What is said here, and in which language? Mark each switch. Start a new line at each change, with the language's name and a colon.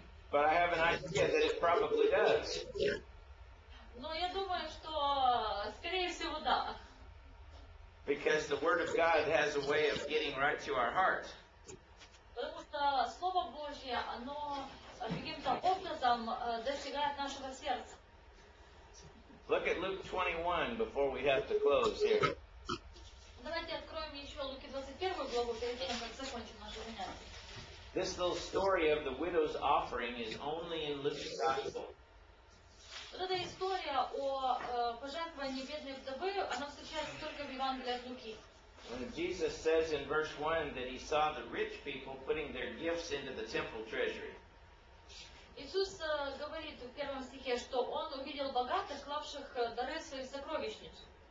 English: But I have an idea that it probably does.
Russian: Но я думаю, что, скорее всего, да.
English: Because the Word of God has a way of getting right to our heart.
Russian: Потому что Слово Божье, оно каким-то образом достигает нашего сердца.
English: Look at Luke 21 before we have to close here.
Russian: Давайте откроем еще Луки 21 главу перед тем, как закончим наше занятие.
English: This little story of the widow's offering is only in Luke's Gospel.
Russian: Вот эта история о пожертвовании бедной вдовы, она встречается только в Евангелии от Луки.
English: When Jesus says in verse 1 that he saw the rich people putting their gifts into the temple treasury.
Russian: Иисус говорит в первом стихе, что он увидел богатых, клавших дары свои в сокровищницу.